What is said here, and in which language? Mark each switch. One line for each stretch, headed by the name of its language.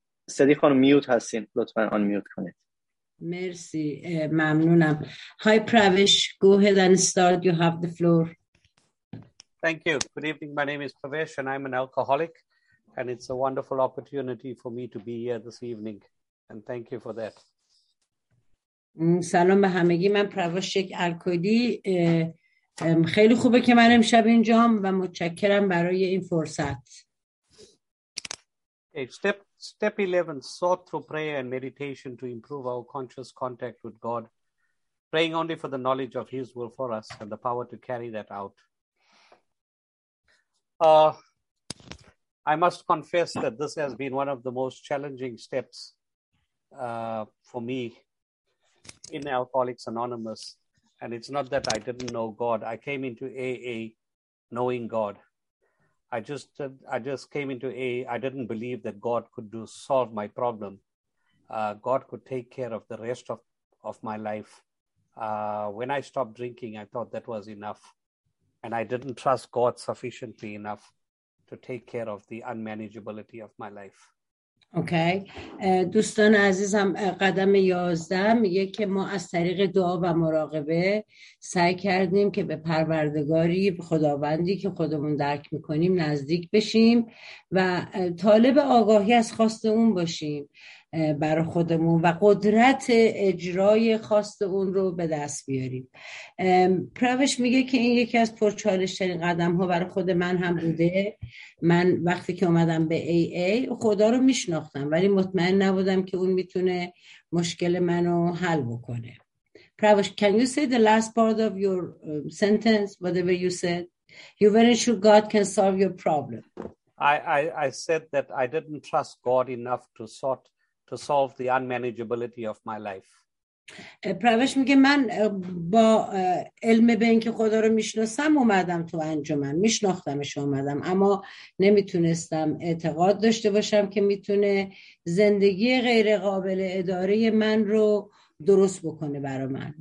Persian: صدی خانم میوت هستین، لطفا آن میوت کنید. مرسی، ممنونم.
English: Hi Pravesh, go ahead and start, you have the floor. Thank you. Good evening. My name is Pravesh and I'm an alcoholic and it's a wonderful opportunity for me to be here this evening and thank you for that. سلام به همگی، من پرواش یک الکلی، خیلی خوبه که من امشب اینجام و متشکرم برای این فرصت. Step 11, sought through prayer and meditation to improve our conscious contact with God, praying only for the knowledge of His will for us and the power to carry that out. I must confess that this has been one of the most challenging steps for me in Alcoholics Anonymous, and it's not that I didn't know God. I came into AA knowing God. I just came into A. I didn't believe that God could solve my problem. God could take care of the rest of my life. When I stopped drinking, I thought that was enough. And I didn't trust God sufficiently enough to take care of the unmanageability of my life.
Persian: اوکی دوستان عزیزم، قدم 11 میگه که ما از طریق دعا و مراقبه سعی کردیم که به پروردگاری، به خداوندی که خودمون درک میکنیم نزدیک بشیم و طالب آگاهی از خواست اون باشیم برای خودمون و قدرت اجرای خواست اون رو به دست بیاریم. پروش میگه که این یکی از پرچالش‌ترین قدم‌ها برای خود من هم بوده. من وقتی که اومدم به AA خدا رو میشناختم ولی مطمئن نبودم که اون میتونه مشکل منو حل بکنه.
English: پروش، can you say the last part of your sentence, whatever you said? You weren't sure God can solve your problem. I said that I didn't trust God enough to solve the unmanageability of my life.
Persian: پروش میگه من با علم به اینکه خدا رو میشناسم اومدم تو انجمن، میشناختمش اومدم، اما نمیتونستم اعتقاد داشته باشم که میتونه زندگی غیر قابل اداره من رو درست بکنه برای من.